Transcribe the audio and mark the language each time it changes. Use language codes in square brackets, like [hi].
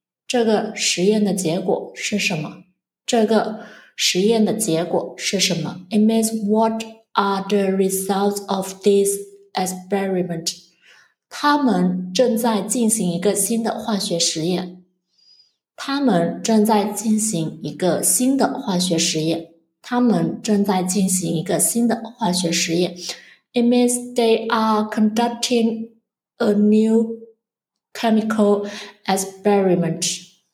[zh] 这个实验的结果是什么？这个实验的结果是什么？ [en] It means what are the results of this experiment? [zh] 他们正在进行一个新的化学实验。他们正在进行一个新的化学实验。他们正在进行一个新的化学实验。 [en] It means they are conducting a new chemical experiment.